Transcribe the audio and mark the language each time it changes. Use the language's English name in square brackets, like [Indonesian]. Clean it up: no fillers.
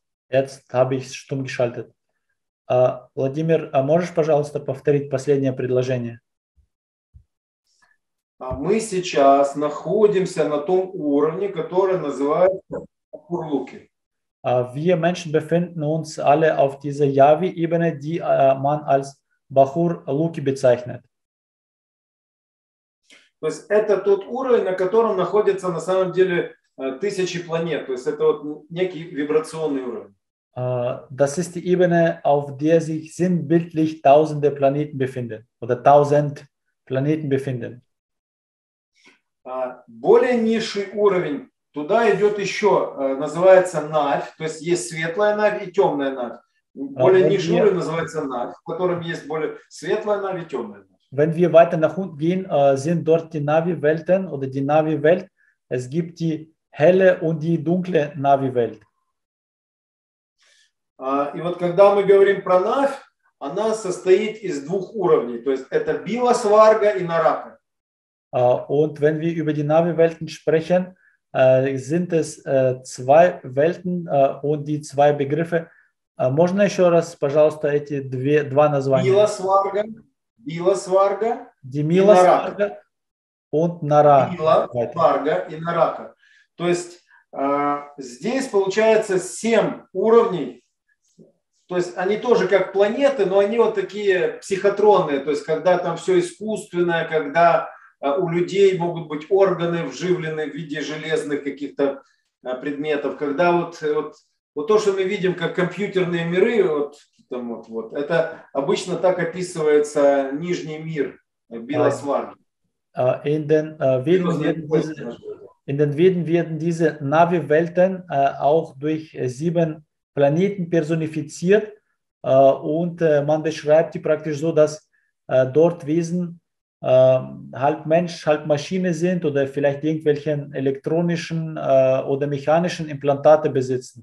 [German] Jetzt habe ich stumm geschaltet. [Russian] Владимир, а можешь, пожалуйста, повторить последнее предложение? А мы сейчас находимся на том уровне, который называется Курлуки. [German] Wir Menschen befinden uns alle auf dieser Yavi-Ebene, die man als Bahur-Luki bezeichnet. [Russian] То есть это тот уровень, на котором находятся на самом деле тысячи планет. То есть это вот некий вибрационный уровень. [German] Das ist die Ebene, auf der sich sinnbildlich tausende Planeten befinden. Oder tausend Planeten befinden. [Russian] Более низший уровень. Туда идет еще, называется Навь. То есть есть светлая Навь и темная Навь. Более низший уровень называется Навь, в котором есть более светлая Навь и темная Навь. [German] Wenn wir weiter nach unten gehen, sind dort die Navi-Welten oder die Navi-Welt. Es gibt die helle und die dunkle Navi-Welt. [Russian] И вот когда мы говорим про Навь, она состоит из двух уровней. То есть это Бива-сварга и Нарака. [German] Und wenn wir über die Navi-Welten sprechen, sind es zwei Welten und die zwei Begriffe. [Russian] Можно еще раз, пожалуйста, эти два названия? Бива-сварга, Бива-сварга и Нарака. [German] Und Нарака. [Russian] Бива-сварга и Нарака. То есть здесь получается семь уровней. То есть они тоже как планеты, но они вот такие психотронные. То есть когда там все искусственное, когда у людей могут быть органы вживлены в виде железных каких-то предметов, когда вот то, что мы видим как компьютерные миры, вот, это обычно так описывается нижний мир Бива-сварга. [German] In den Veden werden diese Navi-Welten auch durch sieben Planeten personifiziert und man beschreibt die praktisch so, dass dort Wesen halb Mensch, halb Maschine sind oder vielleicht irgendwelchen elektronischen oder mechanischen Implantate besitzen.